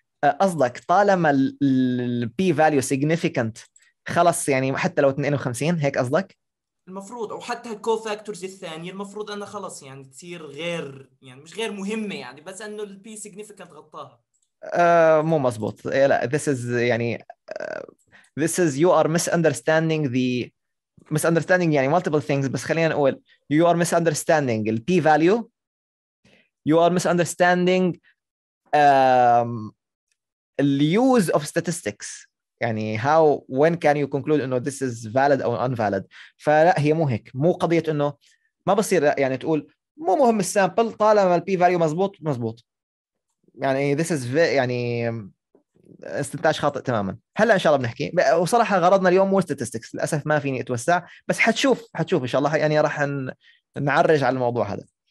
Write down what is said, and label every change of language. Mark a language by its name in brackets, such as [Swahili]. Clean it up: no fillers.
[Arabic] أصدق طالما الـ p-value significant خلص يعني حتى لو 52 هيك أصدق؟ المفروض, أو حتى الـ co-factors الثانية المفروض أنه خلص يعني تصير غير يعني مش غير مهمة يعني, بس أنه الـ p-significant غطاها. مو مزبوط. [English] لا this is يعني this is you are misunderstanding the misunderstanding يعني multiple things, [Arabic] بس خلينا نقول [English] you are misunderstanding الـ p-value, you are misunderstanding the use of statistics, يعني how when can you conclude انه this is valid or invalid. [Arabic] فلا هي مو هيك, مو قضية انه ما بصير يعني تقول مو مهم السامبل طالما البي فاليو مزبوط مزبوط, يعني [English] this is [Arabic] يعني استنتاج خاطئ تماما. هلا ان شاء الله بنحكي, وصراحة غرضنا اليوم مو statistics للأسف ما فيني اتوسع, بس حتشوف ان شاء الله يعني راح نعرج على الموضوع هذا.